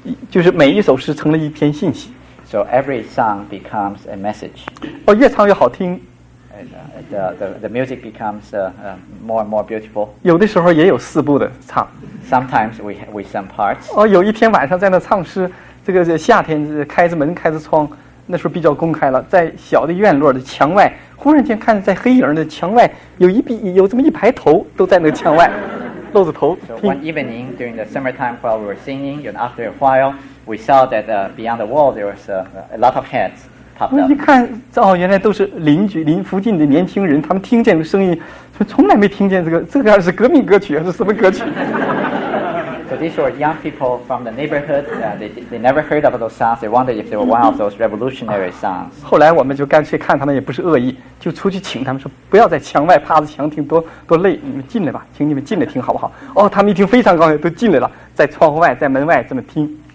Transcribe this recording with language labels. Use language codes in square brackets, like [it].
[zh] 就是每一首诗成了一篇信息。 [en] So every song becomes a message. [zh] 哦，越唱越好听。 [en] the music becomes more and more beautiful. [zh] 有的时候也有四部的唱。 [en] Sometimes we sing parts. [zh] 哦，有一天晚上在那唱诗，这个夏天开着门开着窗，那时候比较公开了，在小的院落的墙外，忽然间看在黑影的墙外有这么一排头都在那个墙外。露着头。 [en] So one evening during the summertime while we were singing, and after a while, we saw that beyond the wall there was a lot of heads popped up. [zh] 一看，哦，原来都是邻居、邻附近的年轻人，他们听见这个声音，说从来没听见这个是革命歌曲还是什么歌曲？ [en] So these were young people from the neighborhood. They never heard of those songs. They wondered if they were one of those revolutionary songs. [zh] 后来我们就干脆看他们也不是恶意，就出去请他们说不要在墙外趴着墙听，多累，你们进来吧，请你们进来听好不好？哦，他们一听非常高兴，都进来了，在窗户外，在门外这么听。